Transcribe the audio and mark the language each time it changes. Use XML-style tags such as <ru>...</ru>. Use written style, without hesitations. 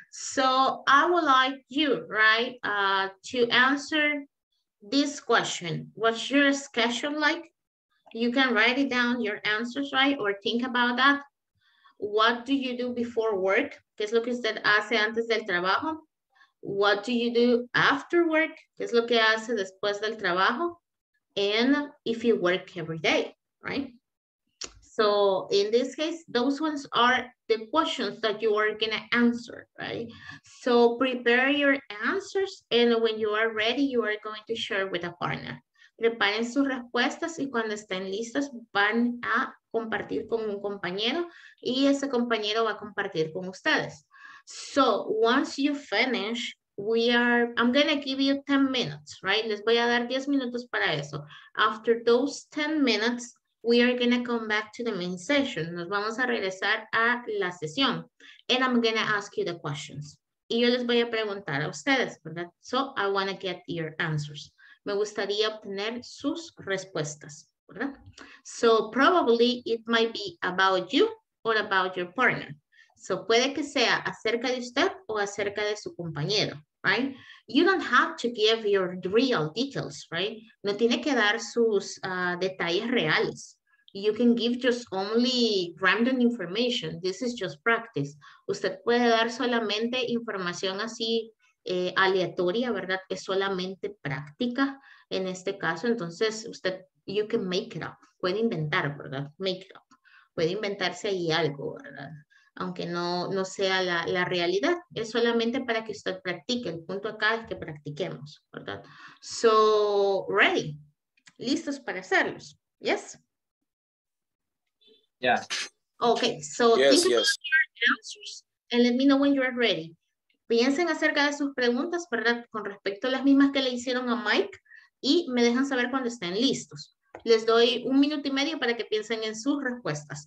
<en>So I would like you, right, to answer this question. What's your schedule like? You can write it down, your answers, right? Or think about that. What do you do before work?</en> <es>¿Qué es lo que usted hace antes del trabajo?</es> <en>What do you do after work?</en> <es>¿Qué es lo que hace después del trabajo?</es> <en>And if you work every day, right? So in this case, those ones are the questions that you are gonna answer, right? So prepare your answers, and when you are ready, you are going to share with a partner.</en> <es>Preparen sus respuestas y cuando estén listas van a compartir con un compañero y ese compañero va a compartir con ustedes.</es> <en>So once you finish, I'm gonna give you 10 minutes, right?</en> <es>Les voy a dar 10 minutos para eso.</es> <en>After those 10 minutes, we are gonna come back to the main session.</en> <es>Nos vamos a regresar a la sesión.</es> <en>And I'm gonna ask you the questions.</en> <es>Y yo les voy a preguntar a ustedes, ¿verdad?</es> <en>So I wanna get your answers.</en> <es>Me gustaría obtener sus respuestas, ¿verdad?</es> <en>So probably it might be about you or about your partner.</en> <es>So puede que sea acerca de usted o acerca de su compañero, right?</es> <en>You don't have to give your real details, right?</en> <es>No tiene que dar sus detalles reales.</es> <en>You can give just only random information. This is just practice.</en> <es>Usted puede dar solamente información así aleatoria, ¿verdad? Es solamente práctica en este caso. Entonces usted,</es> <en>you can make it up.</en> <es>Puede inventar, ¿verdad?</es> <en>Make it up.</en> <es>Puede inventarse ahí algo, ¿verdad? Aunque no sea la realidad, es solamente para que usted practique. El punto acá es que practiquemos, ¿verdad?</es> <en>So, ready.</en> <es>Listos para hacerlos. Yes?</es> <en>Yeah. Okay, so think about your answers and let me know when you are ready.</en> <es>Piensen acerca de sus preguntas, ¿verdad? Con respecto a las mismas que le hicieron a Mike y me dejan saber cuando estén listos. Les doy un minuto y medio para que piensen en sus respuestas.</es>